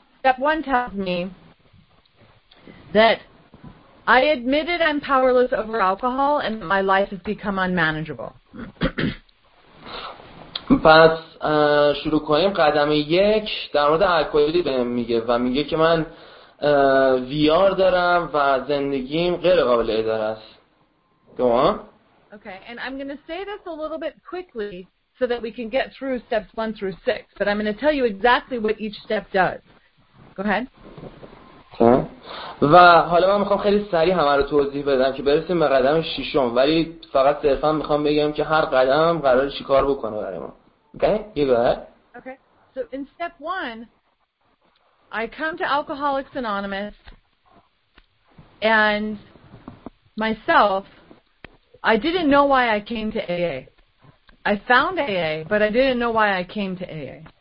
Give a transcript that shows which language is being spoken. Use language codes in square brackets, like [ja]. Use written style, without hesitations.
[en] Step one tells me that I admitted I'm powerless over alcohol and my life has become unmanageable. [fa] پس شروع کنیم. قدم یک در مورد الکلی بهم میگه و میگه که من ویار دارم و زندگیم غیر قابل اداره است. [en] Okay, and I'm going to say this a little bit quickly so that we can get through steps 1-6, but I'm going to tell you exactly what each step does. Go ahead. Okay. [fa] و حالا من میخوام خیلی سریع همه رو توضیح بدم که برسیم به قدم ششم، ولی فقط صرفا میخوام بگم که هر قدم قرار چیکار بکنه برای ما. [en] Okay? You go ahead. Okay. So in step 1, I come to Alcoholics Anonymous and myself, I didn't know why I came to AA. I found AA, but I didn't know why I came to AA.